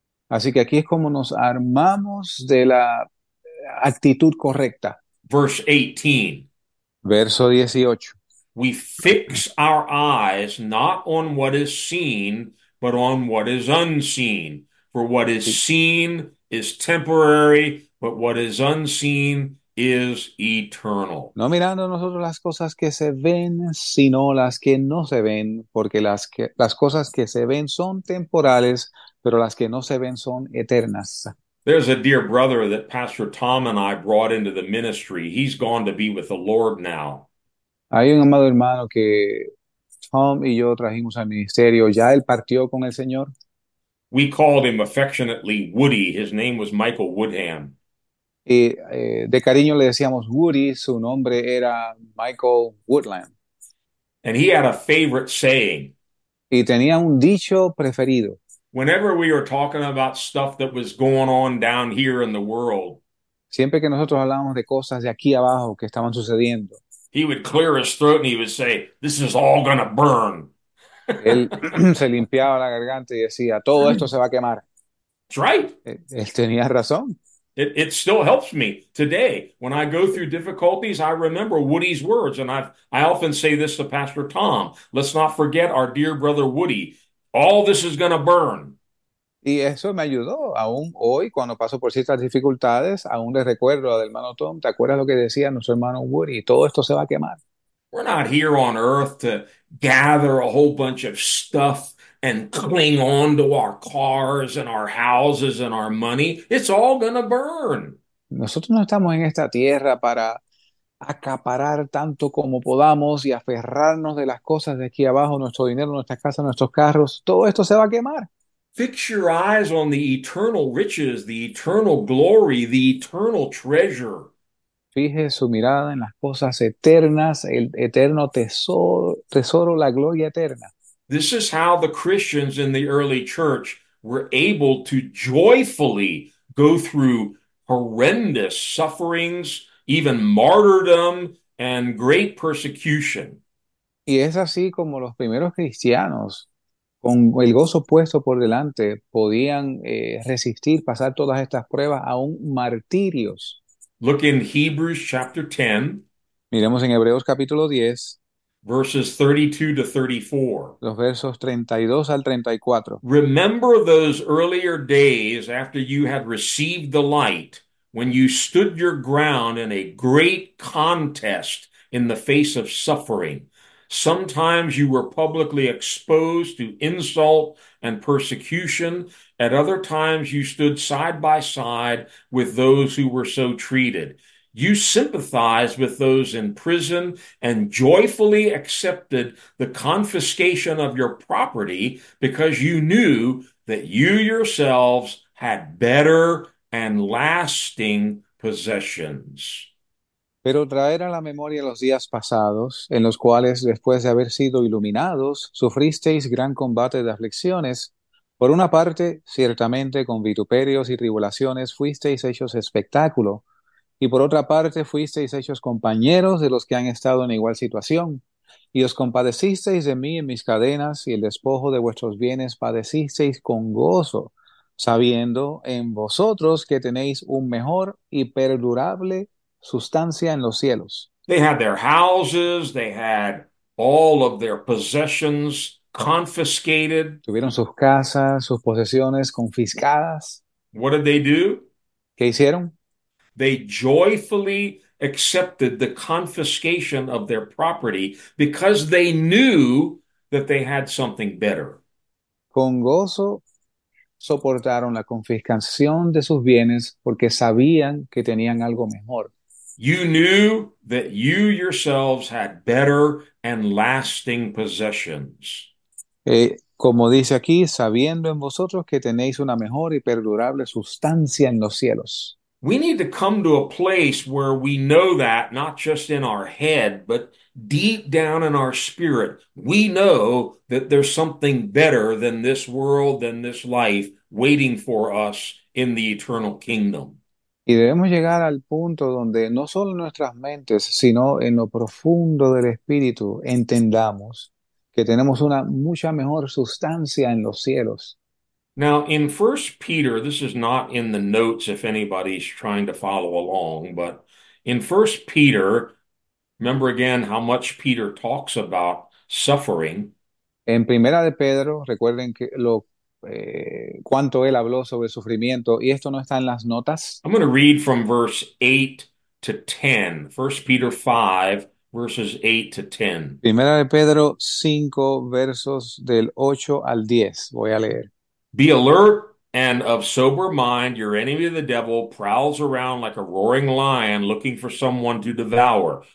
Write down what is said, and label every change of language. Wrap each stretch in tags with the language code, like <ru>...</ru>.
<es>Así que aquí es como nos armamos de la actitud correcta.</es> <en>Verse 18.</en> <es>Verso 18.</es> <en>We fix our eyes not on what is seen, but on what is unseen. For what is seen is temporary, but what is unseen is eternal.</en> <es>No mirando nosotros las cosas que se ven, sino las que no se ven, porque las cosas que se ven son temporales, pero las que no se ven son eternas.</es> <en>There's a dear brother that Pastor Tom and I brought into the ministry. He's gone to be with the Lord now.</en> <es>Hay un amado hermano que Tom y yo trajimos al ministerio. Ya él partió con el Señor.</es> <en>We called him affectionately Woody. His name was Michael Woodham.</en> <es>Y de cariño le decíamos Woody, su nombre era Michael Woodland.</es> <en>And he had a favorite saying.</en> <es>Y tenía un dicho preferido.</es> <en>Whenever we were talking about stuff that was going on down here in the world,</en> <es>Siempre que nosotros hablábamos de cosas de aquí abajo que estaban sucediendo,</es> <en>he would clear his throat and he would say, "This is all gonna burn."</en> <es>él se limpiaba la garganta y decía, todo esto se va a quemar.</es> <en>Right.</en> <es>Él tenía razón.</es> <en>It still helps me today. When I go through difficulties, I remember Woody's words, and I often say this to Pastor Tom, "Let's not forget our dear brother Woody. All this is gonna burn."</en> <es>Y eso me ayudó, aún hoy, cuando paso por ciertas dificultades, aún le recuerdo al hermano Tom, ¿te acuerdas lo que decía nuestro hermano Woody? Todo esto se va a quemar.</es> <en>We're not here on earth to gather a whole bunch of stuff and cling on to our cars and our houses and our money. It's all gonna burn.</en> <es>Nosotros no estamos en esta tierra para acaparar tanto como podamos y aferrarnos de las cosas de aquí abajo, nuestro dinero, nuestras casas, nuestros carros, todo esto se va a quemar.</es> <en>Fix your eyes on the eternal riches, the eternal glory, the eternal treasure.</en> <es>Fije su mirada en las cosas eternas, el eterno tesoro, tesoro, la gloria eterna.</es> <en>This is how the Christians in the early church were able to joyfully go through horrendous sufferings, even martyrdom and great persecution.</en> <es>Y es así como los primeros cristianos, con el gozo puesto por delante, podían resistir, pasar todas estas pruebas, aún martirios.</es> <en>Look in Hebrews chapter 10,</en> <es>Miremos en Hebreos capítulo 10,</es> <en>verses 32 to 34.</en> <es>los versos 32 al 34.</es> <en>Remember those earlier days after you had received the light, when you stood your ground in a great contest in the face of suffering. Sometimes you were publicly exposed to insult and persecution. At other times, you stood side by side with those who were so treated. You sympathized with those in prison and joyfully accepted the confiscation of your property because you knew that you yourselves had better and lasting possessions.</en> <es>Pero traer a la memoria los días pasados, en los cuales, después de haber sido iluminados, sufristeis gran combate de aflicciones. Por una parte, ciertamente, con vituperios y tribulaciones fuisteis hechos espectáculo, y por otra parte, fuisteis hechos compañeros de los que han estado en igual situación, y os compadecisteis de mí en mis cadenas, y el despojo de vuestros bienes padecisteis con gozo, sabiendo en vosotros que tenéis un mejor y perdurable sustancia en los cielos.</es> <en>They had their houses, they had all of their possessions confiscated.</en> <es>Tuvieron sus casas, sus posesiones confiscadas.</es> <en>What did they do?</en> <es>¿Qué hicieron?</es> <en>They joyfully accepted the confiscation of their property because they knew that they had something better.</en> <es>Con gozo soportaron la confiscación de sus bienes porque sabían que tenían algo mejor.</es> <en>You knew that you yourselves had better and lasting possessions.</en> <es>Como dice aquí, sabiendo en vosotros que tenéis una mejor y perdurable sustancia en los cielos.</es> <en>We need to come to a place where we know that, not just in our head, but deep down in our spirit, we know that there's something better than this world, than this life, waiting for us in the eternal kingdom.</en> <es>Y debemos llegar al punto donde no solo en nuestras mentes, sino en lo profundo del espíritu entendamos que tenemos una mucha mejor sustancia en los cielos.</es> <en>Now, in 1 Peter, this is not in the notes if anybody's trying to follow along, but in 1 Peter, remember again how much Peter talks about suffering.</en> <es>En Primera de Pedro, recuerden que lo cuánto él habló sobre sufrimiento, y esto no está en las notas.</es> <en>I'm going to read from verse 8 to 10, 1 Peter 5, verses 8 to 10.</en> <es>Primera de Pedro 5, versos del 8 al 10. Voy a leer.</es> <en>Be alert and of sober mind. Your enemy, the devil, prowls around like a roaring lion looking for someone to devour.</en>